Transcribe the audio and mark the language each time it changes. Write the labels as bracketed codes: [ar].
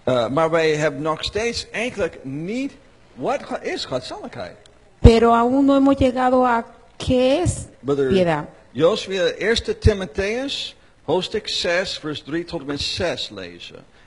[nl] Maar wij hebben nog steeds eigenlijk niet, wat is godzaligheid? [es] Pero aún no hemos llegado a qué es [en] Brother [es] piedad. [nl] Josué, 1 Timoteus, hoofdstuk 6, vers 3 tot en met 6 lezen.